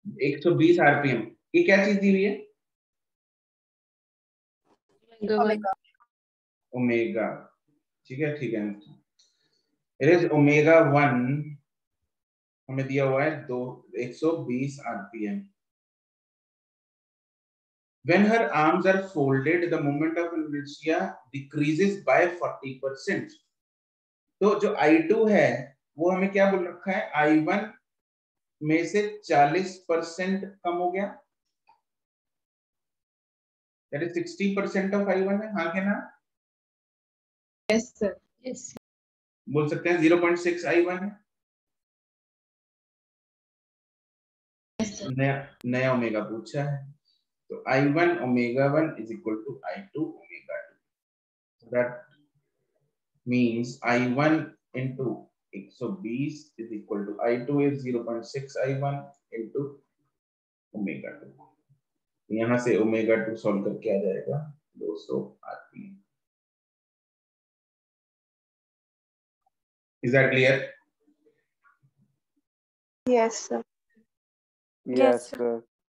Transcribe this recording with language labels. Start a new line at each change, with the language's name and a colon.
Hindi: 120 RPM, ये क्या चीज दी हुई है? ओमेगा, ठीक है ठीक है,
English: it is omega one,
Hindi: हमें दिया हुआ है 120 RPM.
English: When her arms are folded, the moment of inertia decreases by 40%.
Hindi: तो जो I2 है, वो हमें क्या बोल रखा है? I1 में से 40% कम हो गया।
English: That is 60% of I1
Hindi: है, हाँ क्या ना?
English: Yes sir, yes.
Hindi: बोल सकते हैं 0.6 I1 है।
English: Yes sir.
Hindi: नया omega पूछा है।
English: I1 omega 1 is equal to I2 omega 2. that means I1 into x of b is equal to I2 is 0.6 I1 into omega 2.
Hindi: यहां से ओमेगा 2 सॉल्व करके आ जाएगा 200 RPM.
English: Is that clear? Yes sir. Yes sir.